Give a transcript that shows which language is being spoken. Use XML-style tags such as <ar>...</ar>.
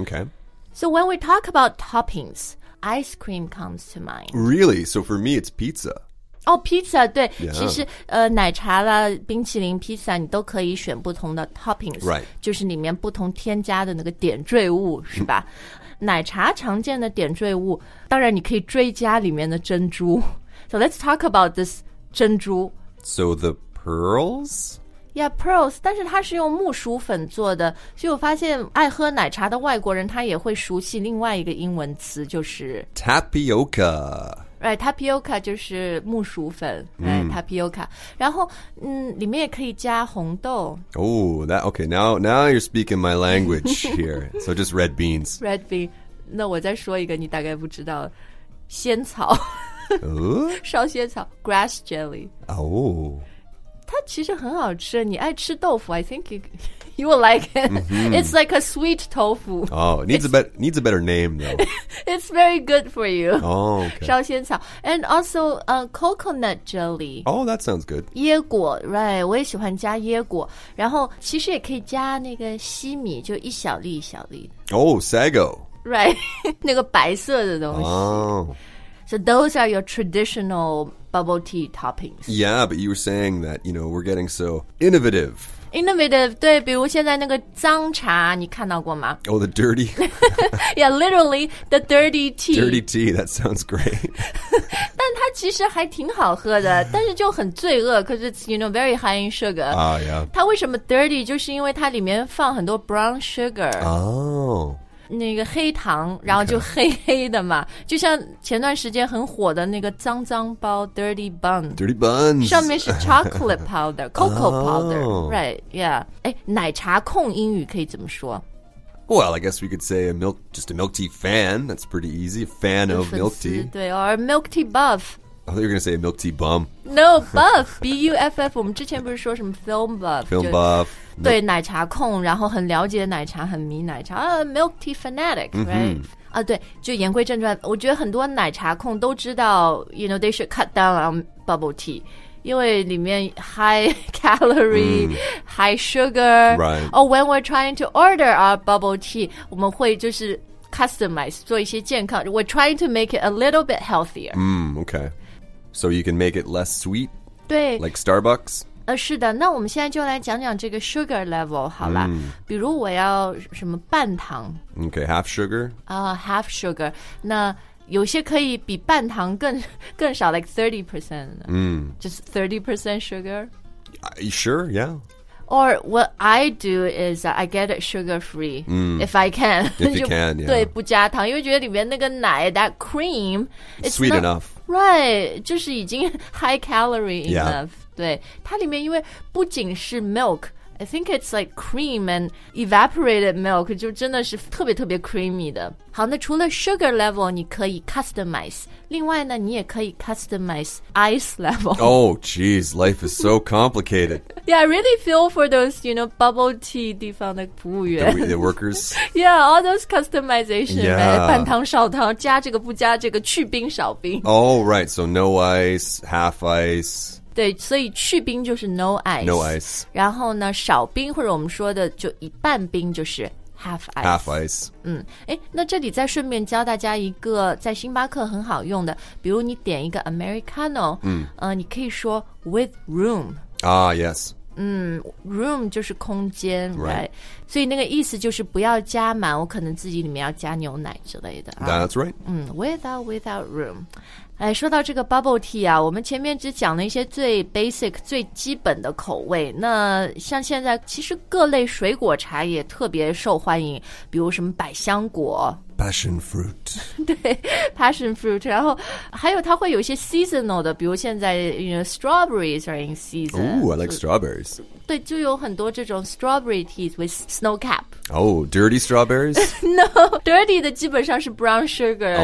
<en>OK So when we talk about toppingsIce cream comes to mind. Really? So for me, it's pizza. Oh, pizza, 对、 yeah.</en> <zh>其实、奶茶啦冰淇淋 pizza, 你都可以选不同的 toppings.</zh> <en>Right.</en> <zh>就是里面不同添加的那个点缀物是吧、奶茶常见的点缀物当然你可以追加里面的珍珠</zh> <en>So let's talk about this 珍珠。 So the pearls?</en> <zh>Yeah, pearls, 但是它是用木薯粉做的，所以我发现爱喝奶茶的外国人他也会熟悉另外一个英文词，就是</zh> <en>Tapioca. Right, tapioca 就是木薯粉、right, tapioca.</en> <zh>然后、里面也可以加红豆。</zh> <en>Oh, that, okay, now you're speaking my language here. So just red beans. Red bean.</en> <zh>那我再说一个你大概不知道，仙草。烧仙草 grass jelly. Oh. 它其实很好吃，你爱吃豆腐</zh> <en>I think you will like it、</en> <zh>mm-hmm.</zh> <en>It's like a sweet tofu. Oh, needs a better name though. It's very good for you. Oh, okay. 烧仙草 And also、coconut jelly. Oh, that sounds good.</en> <zh>椰果 Right, 我也喜欢加椰果然后其实也可以加那个西米就一小粒一小粒</zh> <en>Oh, sago.</en> <zh>Right, 那个白色的东西、 oh.</zh> <en>So those are your traditionalbubble tea toppings. Yeah, but you were saying that, you know, we're getting so innovative.</en> <zh>Innovative, 对比如现在那个脏茶你看到过吗</zh> <en>Oh, the dirty. Yeah, literally, the dirty tea. Dirty tea, that sounds great.</en> <zh>但它其实还挺好喝的但是就很罪恶</zh> <en>because it's, you know, very high in sugar. Ah,、yeah.</en> <zh>它为什么 dirty 就是因为它里面放很多 brown sugar. Oh. 那个黑糖然后就黑黑的嘛、okay. 就像前段时间很火的那个脏脏包 Dirty Bun</zh> <en>Dirty Buns 上面是 Chocolate Powder Cocoa Powder、oh.</en> <zh>Right, yeah 诶奶茶控英语可以怎么说</zh> <en>Well, I guess we could say just a milk tea fan That's pretty easy Fan of milk tea 对 or milk tea buff I thought you were going to say a milk tea bum</en> <zh>No, buff B-U-F-F 我们之前不是说什么 film buff</zh> <en>Film buff</en> <zh>对奶茶控然后很了解奶茶很迷奶茶、milk tea fanatic、right? 对就言归正传我觉得很多奶茶控都知道</zh> <en>you know they should cut down on bubble tea</en> <zh>因为里面 high calorie、high sugar、</zh> <en>right. or when we're trying to order our bubble tea</en> <zh>我们会就是</zh> <en>customize</en> <zh>做一些健康</zh> <en>we're trying to make it a little bit healthier、 okay. so you can make it less sweet</en> <zh>对</zh> <en>like Starbucks</en> <zh>是的那我们现在就来讲讲这个 sugar level 好了、比如我要什么半糖</zh> <en>Okay, half sugar、 half sugar</en> <zh>那有些可以比半糖 更少</zh> <en>like 30%、Just 30% sugar Sure, yeah Or what I do is I get it sugar free、If I can If you can, yeah</en> <zh>对不加糖因为觉得里面那个奶</zh> <en>That cream It's sweet not, enough Right</en> <zh>就是已经</zh> <en>high calorie enough、 yeah.</en> <zh>对它里面因为不仅是</zh> <en>milk I think it's like cream and evaporated milk</en> <zh>就真的是特别特别</zh> <en>creamy</en> <zh>的好那除了</zh> <en>sugar level 你可以 customize</en> <zh>另外呢你也可以</zh> <en>customize ice level Oh geez life is so complicated Yeah I really feel for those you know bubble tea</en> <zh>地方的服务员</zh> <en>the workers Yeah all those customization Yeah、 right?</en> <zh>半糖少糖加这个不加这个去冰少冰</zh> <en>Oh right so no ice half ice</en> <zh>对所以去冰就是 no ice,</zh> <en>no ice</en> <zh>然后呢少冰或者我们说的就一半冰就是 half ice</zh> <en>half ice</en> <zh>那这里再顺便教大家一个在星巴克很好用的比如你点一个 Americano、你可以说 with room</zh> <en>ah yes、</en> <zh>room 就是空间</zh> <en>right.</en> <zh>right 所以那个意思就是不要加满我可能自己里面要加牛奶之类的</zh> <en>that's right、 without room</en> <zh>哎，说到这个 bubble tea 啊，我们前面只讲了一些最 basic 最基本的口味。那像现在其实各类水果茶也特别受欢迎，比如什么百香果</zh> <en>，passion fruit，对 ，passion fruit。</en> <zh>然后还有它会有一些</zh> <en>seasonal 的，比如现在 you know strawberries are in season。 Ooh, I like strawberries。</en> <zh>对，就有很多这种</zh> <en>strawberry teas with snow cap。 Oh, dirty strawberries? No, dirty</en> <zh>的基本上是</zh> <en>brown sugar,、</en>